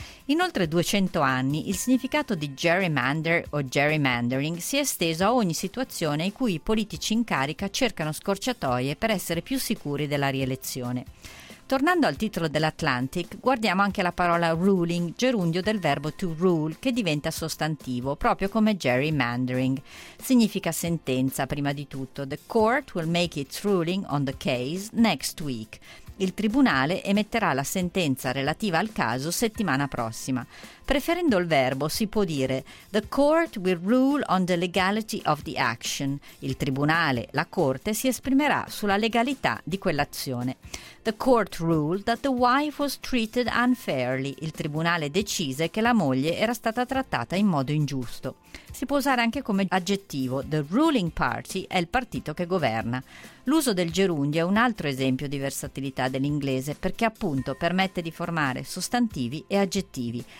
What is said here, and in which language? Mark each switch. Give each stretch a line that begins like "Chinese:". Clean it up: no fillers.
Italian: In oltre 200 anni, il significato di gerrymander o gerrymandering si è esteso a ogni situazione in cui i politici in carica cercano scorciatoie per essere più sicuri della rielezione. Tornando al titolo dell'Atlantic, guardiamo anche la parola ruling, gerundio del verbo to rule, che diventa sostantivo, proprio come gerrymandering. Significa sentenza, prima di tutto.
English: The court will make its ruling on the case next week.
Italian: Il tribunale emetterà la sentenza relativa al caso settimana prossima. Preferendo il verbo si può dire
English: «The court will rule on the legality of the action».
Italian: Il tribunale, la corte, si esprimerà sulla legalità di quell'azione.
English: «The court ruled that the wife was treated unfairly».
Italian: Il tribunale decise che la moglie era stata trattata in modo ingiusto. Si può usare anche come aggettivo
English: «The ruling party»
Italian: è il partito che governa. L'uso del gerundio è un altro esempio di versatilità dell'inglese perché appunto permette di formare sostantivi e aggettivi.